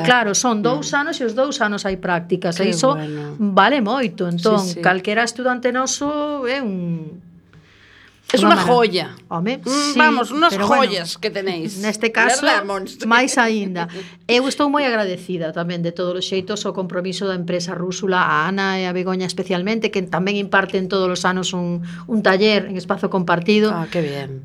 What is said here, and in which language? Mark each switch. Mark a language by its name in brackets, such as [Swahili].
[Galician] E claro, son dous anos e os dous anos hai prácticas. Qué e iso bueno. vale moito. Entón, sí, sí. calquera estudante noso é un... [Spanish] Es una joya. [Galician] Home, sí, [Spanish] vamos, unas joyas bueno, que tenéis. [Galician] Neste caso, máis aínda. Eu estou moi agradecida tamén de todos os xeitos o compromiso da empresa Rúsula, a Ana e a Begoña especialmente, que tamén imparten todos os anos un taller en Espazo Compartido. [Spanish] Ah, qué bien.